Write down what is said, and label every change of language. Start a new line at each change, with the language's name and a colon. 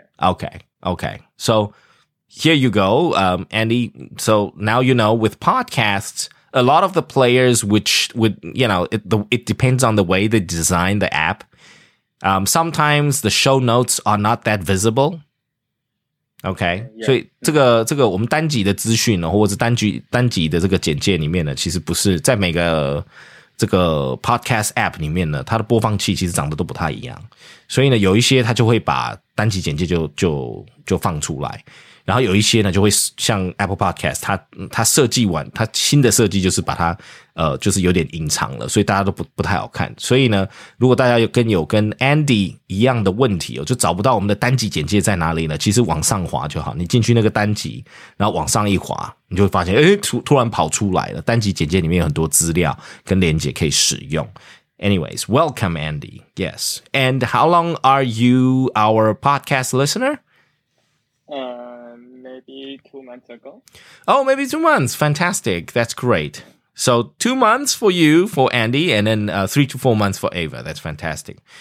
English: Okay. So here you go, Andy. So now you know with podcasts, a lot of the players, which would, you know, it depends on the way they design the app. Sometimes the show notes are not that visible. Okay. Yeah.
Chinese: 所以这个我们单集的资讯呢，或者单集的这个简介里面呢，其实不是在每个这个 podcast app 里面呢，它的播放器其实长得都不太一样。所以呢，有一些它就会把单集简介就放出来。然后有一些呢，就会像 Apple Podcast， 它设计完，它新的设计就是把它就是有点隐藏了，所以大家都不太好看。所以呢，如果大家有跟 Andy 一样的问题哦，就找不到我们的单集简介在哪里呢？其实往上滑就好，你进去那个单集，然后往上一滑，你就会发现，哎，突然跑出来了，单集简介里面有很多资料跟连结可以使用。
English: Anyways, welcome Andy. Yes, and how long are you our podcast listener? Maybe 2 months ago. Oh, maybe 2 months. Fantastic. That's great. So 2 months for you, for Andy, and then 3 to 4 months for Ava. That's fantastic.